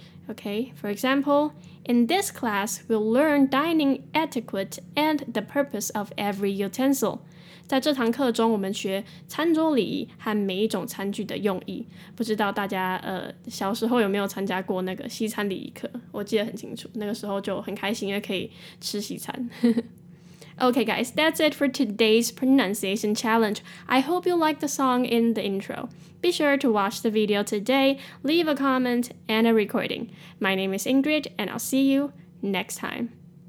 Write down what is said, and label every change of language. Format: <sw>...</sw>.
<en>Okay, for example, in this class, we'll learn dining etiquette and the purpose of every utensil.</en> <zh>在这堂课中，我们学餐桌礼仪和每一种餐具的用意。不知道大家小时候有没有参加过那个西餐礼仪课？我记得很清楚，那个时候就很开心，因为可以吃西餐。</zh> <en>Okay guys, that's it for today's pronunciation challenge. I hope you liked the song in the intro. Be sure to watch the video today, leave a comment and a recording. My name is Ingrid, and I'll see you next time.</en>